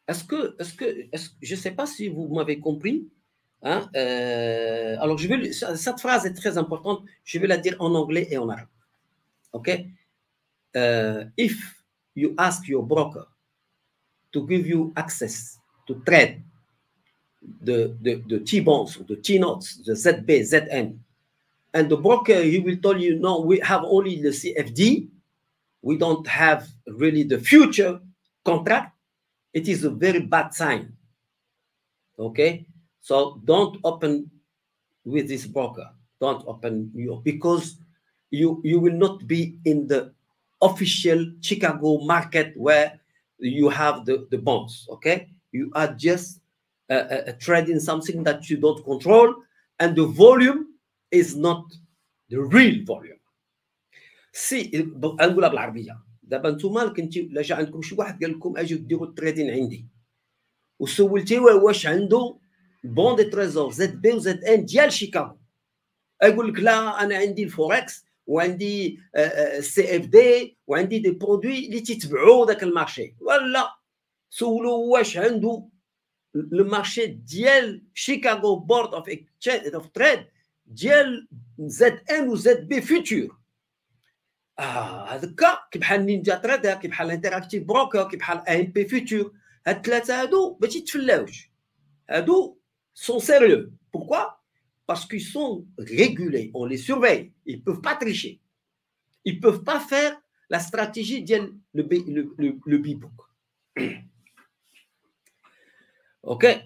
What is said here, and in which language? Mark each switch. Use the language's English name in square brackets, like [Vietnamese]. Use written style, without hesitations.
[French] Je ne sais pas si vous m'avez compris. Hein? Alors cette phrase est très importante. Je vais la dire en anglais et en arabe. [English] OK? If you ask your broker to give you access to trade the T-bonds, the T-notes, the ZB, ZN, and the broker, he will tell you, no, we have only the CFD. We don't have really the future contract. It is a very bad sign. Okay? So don't open with this broker. Don't open your, because you will not be in the official Chicago market where you have the bonds, okay? You are just trading something that you don't control, and the volume is not the real volume. [Arabic] Si, نقولها بالعربية. دابا نتوما كنتي لجا عندكم شي واحد قال لكم اجي ديروا التريدين عندي. وسولتي واش عنده بون دي تريزور زد بي وزد ان ديال شيكاغو. اقول لك لا انا عندي الفوركس وعندي السي اف دي وعندي دي برودوي اللي تتبعوا داك المارشي. ولا سولوا واش عنده المارشي ديال شيكاغو بورد اوف اكشن اوف تريد ديال زد ان وزد بي فيتور. هذاك كيبحال نينجا تريدر كيبحال انتراكتيف بروكر كيبحال اي ام بي فيتور. هاد الثلاثه هادو ما تيتفلاوش. هادو [French] sont sérieux. Pourquoi? Parce qu'ils sont régulés, on les surveille, ils ne peuvent pas tricher. Ils ne peuvent pas faire la stratégie de le B-Book. Ok.